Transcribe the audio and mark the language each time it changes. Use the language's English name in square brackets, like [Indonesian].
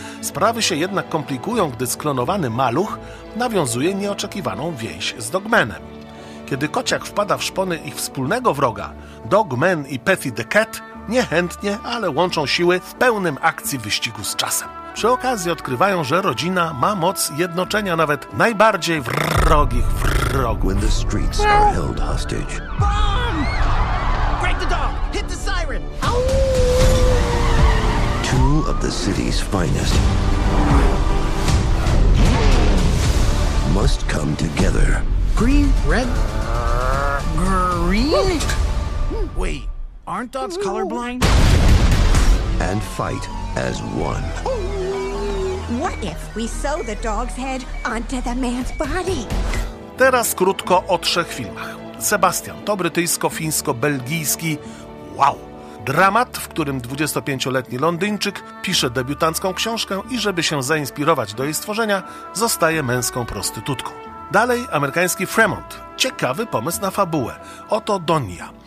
[Polish] Sprawy się jednak komplikują, gdy sklonowany maluch nawiązuje nieoczekiwaną więź z Dogmanem. Kiedy kociak wpada w szpony ich wspólnego wroga, Dogman i Petty the Cat niechętnie, ale łączą siły w pełnym akcji wyścigu z czasem. Przy okazji odkrywają, że rodzina ma moc jednoczenia nawet najbardziej wrogich wrogów. [English] When the streets are held hostage. Bomb! Break the dog! Hit the siren! Ow! Two of the city's finest must come together. Green, red, green. Wait. Aren't dogs colorblind? And fight as one. What if we sew the dog's head onto the man's body? [Polish] Teraz krótko o trzech filmach. Sebastian to brytyjsko-fińsko-belgijski. Wow! Dramat, w którym 25-letni Londyńczyk pisze debiutancką książkę i żeby się zainspirować do jej stworzenia, zostaje męską prostytutką. Dalej amerykański Fremont. Ciekawy pomysł na fabułę. Oto Donia.